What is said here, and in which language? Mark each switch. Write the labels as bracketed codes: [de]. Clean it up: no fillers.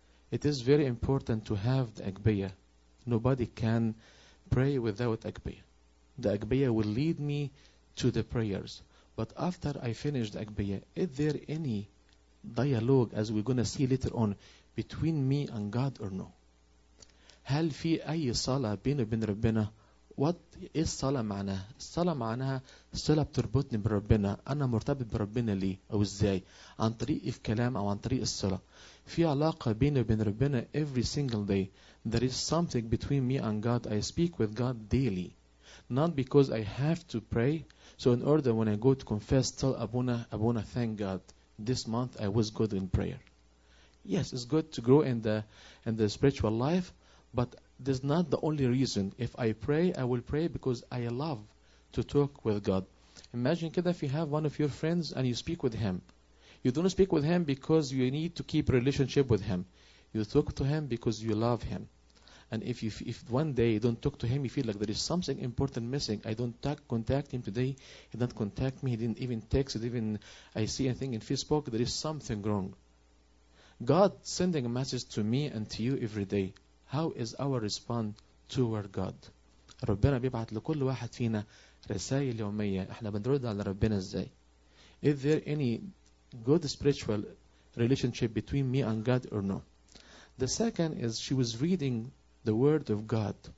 [en] It is very important to have the agbaya. Nobody can pray without agbaya. The agbaya will lead me to the prayers. But after I finish the agbaya, is there any dialogue, as we're going to see later on, between me and God or no? [ar] هل في أي صلاة بيني وبين ربنا؟ [en] What is [ar] صلاة معناها؟ الصلاة معناها صلاة بتربطني بربنا. أنا مرتبط بربنا ليه أو إزاي؟ عن طريق الكلام أو عن طريق الصلاة. في علاقة بيني وبين ربنا [en] every single day. There is something between me and God. I speak with God daily. Not because I have to pray. So in order when I go to confess, tell Abuna, thank God. This month I was good in prayer. Yes, it's good to grow in the spiritual life. But this is not the only reason. If I pray, I will pray because I love to talk with God. Imagine كده, if you have one of your friends and you speak with him. You don't speak with him because you need to keep relationship with him. You talk to him because you love him. And if one day you don't talk to him, you feel like there is something important missing. I don't contact him today. He didn't contact me. He didn't even text. I see anything in Facebook. There is something wrong. God sending a message to me and to you every day. How is our response toward God? [ar] ربنا بيبعت لكل واحد فينا رسائل يومية. احنا بنرد على ربنا ازاي? [en] Is there any good spiritual relationship between me and God or no? The second is she was reading the word of God.